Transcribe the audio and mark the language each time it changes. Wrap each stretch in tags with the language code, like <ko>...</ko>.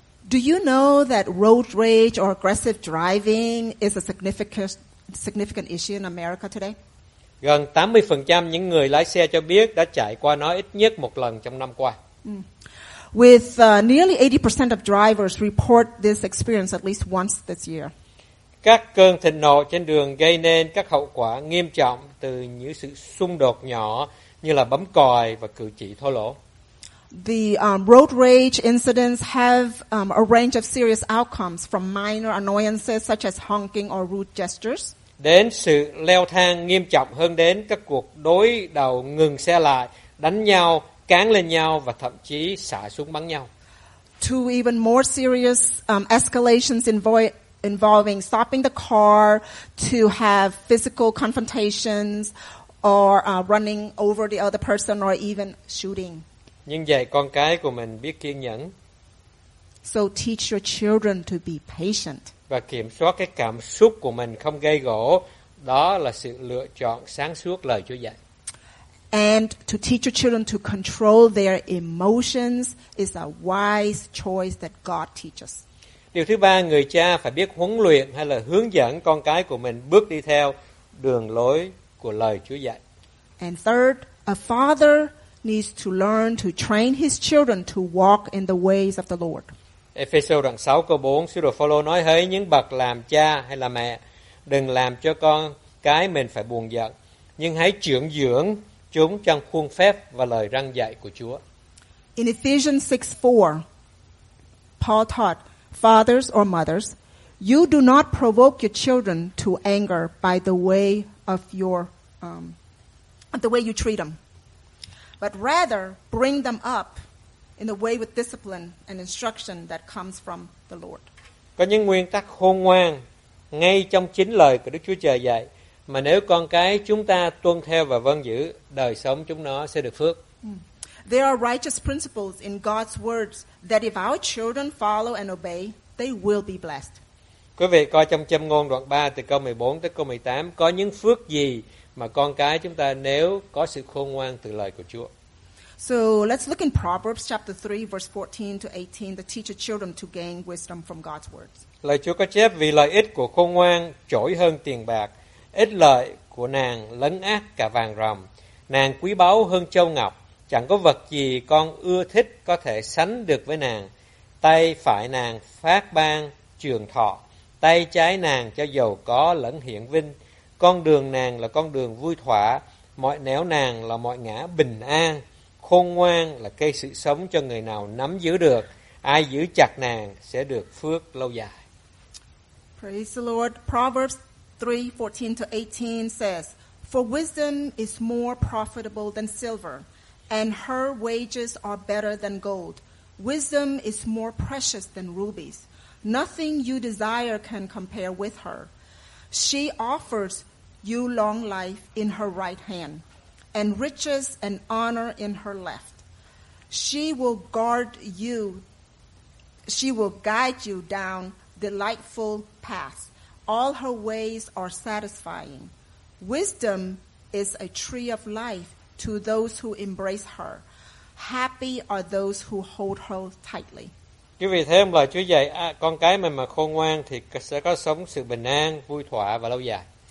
<en>Do you know that road rage or aggressive driving is a significant issue in America today?</en> <vi>Gần 80% những người lái xe cho biết đã trải qua nó ít nhất một lần trong năm qua.</vi> <en>with nearly 80% of drivers report this experience at least once this year.</en> <vi>Các cơn thịnh nộ trên đường gây nên các hậu quả nghiêm trọng từ những sự xung đột nhỏ như là bấm còi và cử chỉ thô lỗ.</vi> <en>The road rage incidents have a range of serious outcomes from minor annoyances such as honking or rude gestures.</en> <vi>Đến sự leo thang nghiêm trọng hơn đến các cuộc đối đầu ngừng xe lại, đánh nhau, cán lên nhau và thậm chí xả súng bắn nhau.</vi> <en>To even more serious escalations involving stopping the car to have physical confrontations or running over the other person or even shooting.</en> <vi>Nhưng dạy con cái của mình biết kiên nhẫn.</vi> <en>So teach your children to be patient.</en> <vi>Và kiểm soát cái cảm xúc của mình không gây gổ, đó là sự lựa chọn sáng suốt lời Chúa dạy.</vi> <en>And to teach your children to control their emotions is a wise choice that God teaches.</en> <vi>Điều thứ ba, người cha phải biết huấn luyện hay là hướng dẫn con cái của mình bước đi theo đường lối của lời Chúa dạy.</vi> <en>And third, a father needs to learn to train his children to walk in the ways of the Lord.</en> <vi>Ephesians 6 câu 4, Sứ đồ Phaolô nói: hỡi những bậc làm cha hay là mẹ, đừng làm cho con cái mình phải buồn giận, nhưng hãy trưởng dưỡng chúng trong khuôn phép và lời răn dạy của Chúa.</vi> <en>In Ephesians 6:4, Paul taught, fathers or mothers, you do not provoke your children to anger by the way of your the way you treat them, but rather bring them up in the way with discipline and instruction that comes from the Lord.</en> <vi>Có những nguyên tắc khôn ngoan ngay trong chính lời của Đức Chúa Trời dạy, mà nếu con cái chúng ta tuân theo và vâng giữ, đời sống chúng nó sẽ được phước.</vi> <en>There are righteous principles in God's words that if our children follow and obey, they will be blessed.</en> <vi>Quý vị coi trong Châm Ngôn đoạn 3 từ câu 14 tới câu 18, có những phước gì mà con cái chúng ta nếu có sự khôn ngoan từ lời của Chúa.</vi> <en>So let's look in Proverbs chapter 3 verse 14 to 18 to teach your children to gain wisdom from God's words.</en> <vi>Lời Chúa có chép: vì lợi ích của khôn ngoan trỗi hơn tiền bạc, ích lợi của nàng lấn át cả vàng ròng. Nàng quý báu hơn châu ngọc, chẳng có vật gì con ưa thích có thể sánh được với nàng. Tay phải nàng phát ban trường thọ, tay trái nàng cho giàu có lẫn hiển vinh. Con đường nàng là con đường vui thỏa, mọi nẻo nàng là mọi ngã bình an. Khôn ngoan là cây sự sống cho người nào nắm giữ được, ai giữ chặt nàng sẽ được phước lâu dài.</vi> <en>Praise the Lord. Proverbs 3:14 to 18 says, for wisdom is more profitable than silver, and her wages are better than gold. Wisdom is more precious than rubies. Nothing you desire can compare with her. She offers you long life in her right hand, and riches and honor in her left. She will guard you. She will guide you down delightful paths. All her ways are satisfying. Wisdom is a tree of life to those who embrace her. Happy are those who hold her tightly.</en> <vi>Quý vị thấy không? Lời Chúa dạy, con cái mình mà khôn ngoan thì sẽ có sống sự bình an, vui thỏa và lâu dài.</vi>